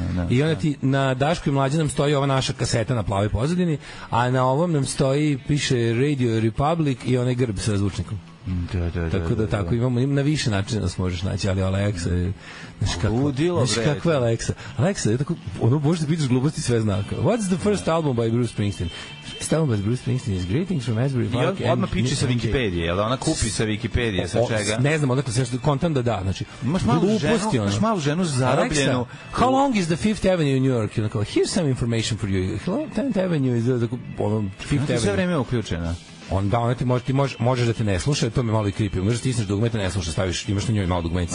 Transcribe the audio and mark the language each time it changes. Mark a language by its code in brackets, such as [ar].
[sr] I onda ti na Daško je mlađe stoji ova naša kaseta na plavoj pozadini, a na ovom nam stoji, piše Radio Republic i onaj grb sa zvučnikom. Da, da, da. Tako da, tako imamo, ima na više načina da se možeš naći, ali Alexa je... Znaš kako, ludilo, znaš kako je Alexa. Alexa je tako, ono možeš da pitaš gluposti sve znaka. [en] What's the first album by Bruce Springsteen? First album by Bruce Springsteen is Greetings from Asbury Park. [sr] I odmah piči sa Wikipedia, ali ona kupi sa Wikipedia, sa čega? Ne znam, odakle se što kontam da da. Znači, imaš malu gluposti, ženu, imaš malu ženu zarobljenu. [en] Alexa, how long is the Fifth Avenue in New York? [sr] Onako, [en] here's some information for you. Hello, Tenth Avenue is the Fifth Avenue. [sr] Sve vreme je uključena. On da, ona ti može, možeš da te ne sluša, to me malo i kripi. Možeš da stisneš dugme, te ne sluša, staviš, imaš na njoj malo dugme.